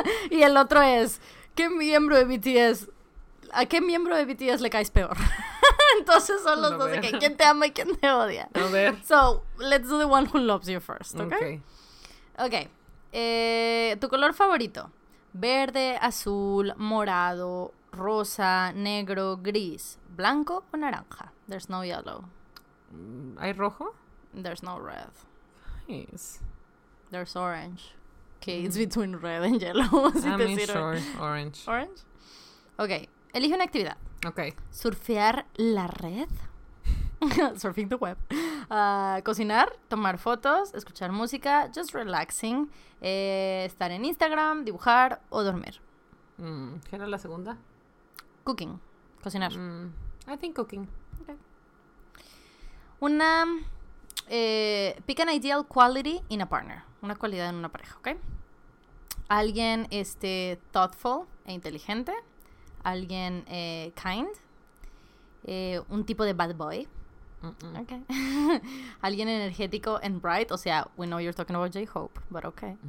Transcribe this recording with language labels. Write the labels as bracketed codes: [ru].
[es] Y el otro es... ¿A qué miembro de BTS le caes peor? Entonces son los dos de que... ¿Quién te ama y quién te odia? A ver. [en] So, let's do the one who loves you first, okay? [es] Okay. ¿Tu color favorito? ¿Verde, azul, morado, rosa, negro, gris, blanco o naranja? [en] There's no yellow. [es] ¿Hay rojo? [en] There's no red. Nice. There's orange. Okay, it's between red and yellow. Orange. [es] Orange? Okay, elige una actividad. [en] Okay. [es] ¿Surfear la red? [en] Surfing the web. [es] Cocinar, tomar fotos, escuchar música, [en] just relaxing, [es] estar en Instagram, dibujar o dormir. ¿Qué era la segunda? [en] Cooking, cocinar. I think cooking. Okay. Una, pick an ideal quality in a partner, [es] una cualidad en una pareja, [en] ¿ok? [es] Alguien thoughtful e inteligente, alguien kind, un tipo de bad boy. Okay. Alguien energético [en] and bright. [es] O sea, [en] we know you're talking about J-Hope, but okay.